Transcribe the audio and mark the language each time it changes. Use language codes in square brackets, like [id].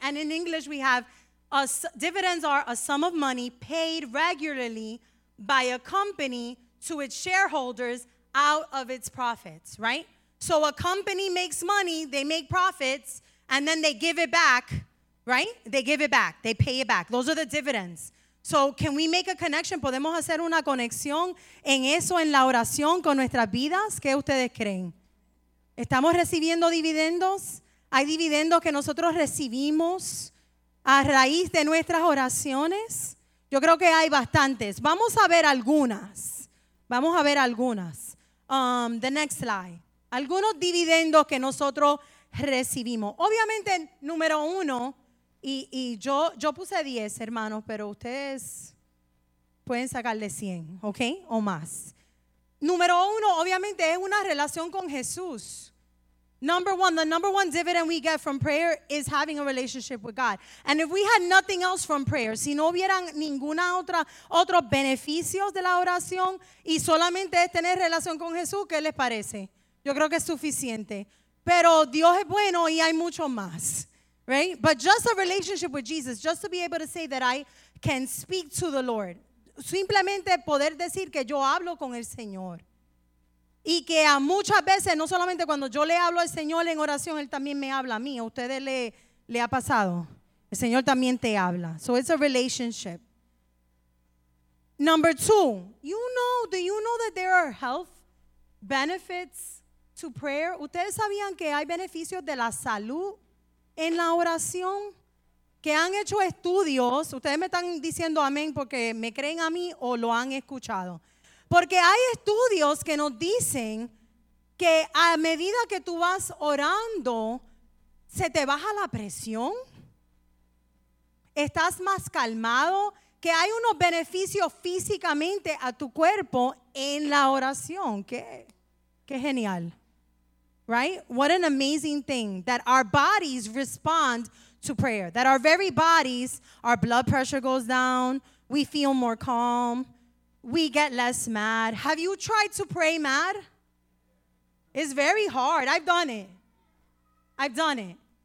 [en] And in English we have, dividends are a sum of money paid regularly by a company to its shareholders out of its profits, right? So a company makes money, they make profits, and then they give it back, right? They give it back, they pay it back. Those are the dividends. So can we make a connection? [es] ¿Podemos hacer una conexión en eso, en la oración, con nuestras vidas? ¿Qué ustedes creen? ¿Estamos recibiendo dividendos? ¿Hay dividendos que nosotros recibimos a raíz de nuestras oraciones? Yo creo que hay bastantes. Vamos a ver algunas. Vamos a ver algunas. [en] The next slide. [es] Algunos dividendos que nosotros recibimos. Obviamente, número uno, y yo puse 10, hermanos, pero ustedes pueden sacarle 100, ¿ok? O más. Número uno, obviamente, es una relación con Jesús. [en] Number one, the number one dividend we get from prayer is having a relationship with God. And if we had nothing else from prayer, [es] si no hubieran ninguna otro beneficios de la oración y solamente es tener relación con Jesús, ¿qué les parece? Yo creo que es suficiente. Pero Dios es bueno y hay mucho más, right? [en] But just a relationship with Jesus, just to be able to say that I can speak to the Lord. [es] Simplemente poder decir que yo hablo con el Señor. Y que a muchas veces, no solamente cuando yo le hablo al Señor en oración, Él también me habla a mí. ¿A ustedes le ha pasado? El Señor también te habla. [en] So it's a relationship. Number two, do you know that there are health benefits to prayer? [es] ¿Ustedes sabían que hay beneficios de la salud en la oración? Que han hecho estudios. ¿Ustedes me están diciendo amén porque me creen a mí o lo han escuchado? Porque hay estudios que nos dicen que a medida que tú vas orando, se te baja la presión, estás más calmado, que hay unos beneficios físicamente a tu cuerpo en la oración. Qué genial, right? [en] What an amazing thing that our bodies respond to prayer, that our very bodies, our blood pressure goes down, we feel more calm. We get less mad. Have you tried to pray mad? It's very hard. I've done it.